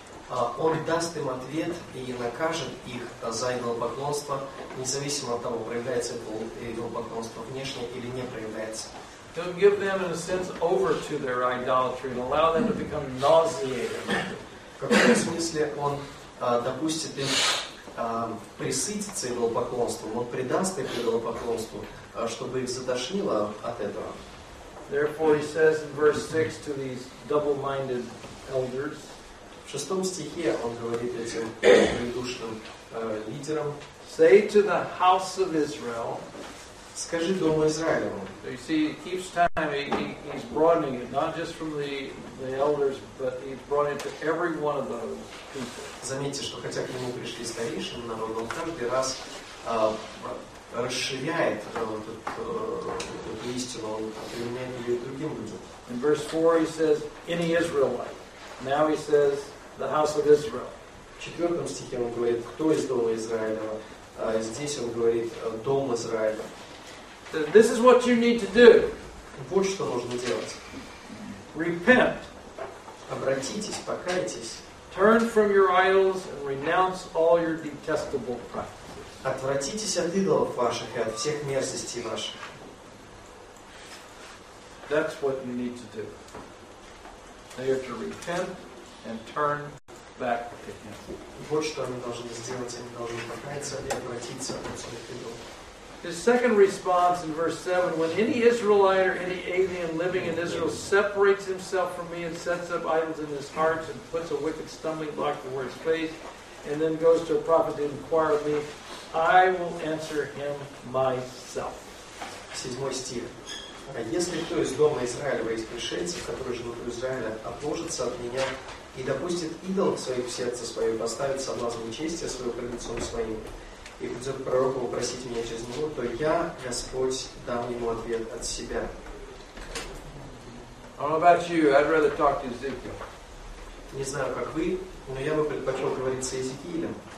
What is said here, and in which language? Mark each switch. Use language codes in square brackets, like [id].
[ru] Он даст им ответ и накажет их за идолопоклонство, независимо от того, проявляется идолопоклонство внешне или не проявляется. [en] He'll give them, in a sense, over to their idolatry and allow them to become nauseated. [ru] В каком-то смысле он допустит им присытиться идолопоклонством, он предаст их идолопоклонству, чтобы их затошнило от этого. [en] Therefore, he says in verse 6 to these double-minded elders, [ru] в шестом стихе он говорит этим придушным лидерам, [en] say to the house of Israel, [ru] скажи дому Израилеву. [en] So you see, each time he's broadening it, not just from the elders, but he's broadening it to every one of those people. [ru] Заметьте, что хотя к нему пришли старейшины народа, он каждый раз расширяет эту истину, он применяет ее другим людям. [en] In verse 4 he says, any Israelite. Now he says, the house of Israel. [ru] В четвертом стихе он говорит, кто из дома Израилева. Здесь он говорит, дом Израиля. [en] This is what you need to do. [ru] Вот что нужно делать. [en] Repent. [ru] Обратитесь, покайтесь. [en] Turn from your idols and renounce all your detestable practices. [ru] Отвратитесь от идолов ваших и от всех мерзостей ваших. [en] That's what you need to do. They have to repent and turn back to Him. [ru] Вот что они должны сделать. Они должны покаяться и обратиться от своих идолов. [en] His second response in verse 7, when any Israelite or any alien living in Israel separates himself from me and sets up idols in his heart and puts a wicked stumbling block before his face and then goes to a prophet to inquire of me, I will answer him myself. [ru] Седьмой стих. Если кто из дома Израилева, из пришельцев, которые живут в Израиле, отложится от меня и допустит идол в своих сердце свое, поставит соблазн нечестия свое пред лицом своим, и придет к пророку попросить меня через него, то я, Господь, дам ему ответ от себя. [en] I don't know about you, I'd rather talk to Ezekiel. [ru] Не знаю, как вы, но я бы предпочел говорить с Езекиилем.